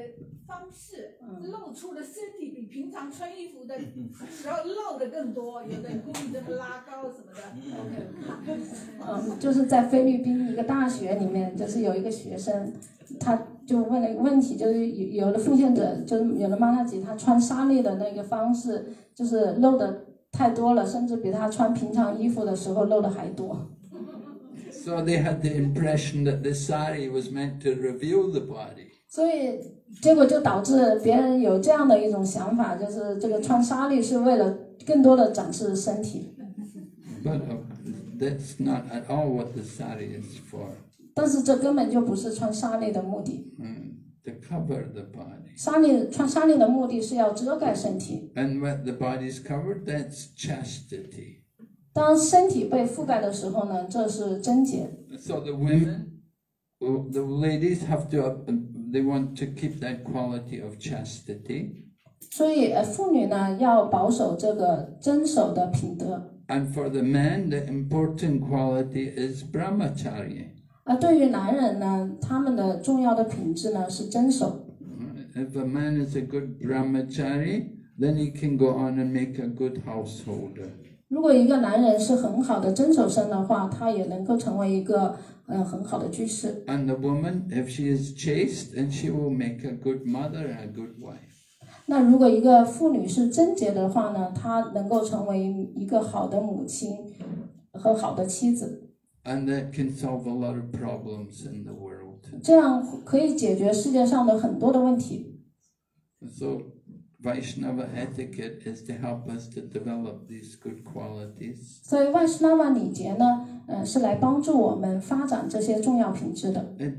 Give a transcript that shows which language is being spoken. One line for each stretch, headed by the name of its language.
Chinese: 穿的 sari 的方式，露出的身体比平常穿衣服的时候露的更多，有的故意这么拉高什么的。就是在菲律宾一个大学里面，就是有一个学生，他就问了一个问题，就是有的奉献者，就是有的玛纳吉，他穿纱丽的那个方式，就是露的太多了，甚至比他穿平常衣服的时候露的还多。
English: So they had the impression that the sari was meant to reveal the body.
Chinese: 所以结果就导致别人有这样的一种想法，就是这个穿纱丽是为了更多的展示身体。
English: But that's not at all what the sari is for.
Chinese: 但是这根本就不是穿纱丽的目的。
English: 嗯。To cover the body.
Chinese: 穿纱丽的目的是要遮盖身体。
English: And when the body is covered, that's chastity.
Chinese: 当身体被覆盖的时候呢，这是贞洁。
English: So the women, the ladies have to, they want to keep that quality of chastity.
Chinese: 所以妇女呢，要保守这个贞守的品德。
English: And for the men, the important quality is brahmacharya.
Chinese: 对于男人呢，他们的重要的品质呢是遵守。
English: If a man is a good brahmachari, then he can go on and make a good householder.
Chinese: 如果一个男人是很好的遵守生的话，他也能够成为一个很好的居士。
English: And the woman, if she is chaste, then she will make a good mother and a good wife.
Chinese: 那如果一个妇女是贞洁的话呢，她能够成为一个好的母亲和好的妻子。
English: And that can solve a lot of problems in the world.
Chinese: 这样可以解决世界上的很多的问题。
English: So, Vaishnava etiquette is to help us to develop these good qualities.
Chinese: 所以 Vaishnava 礼节呢，是来帮助我们发展这些重要品质的。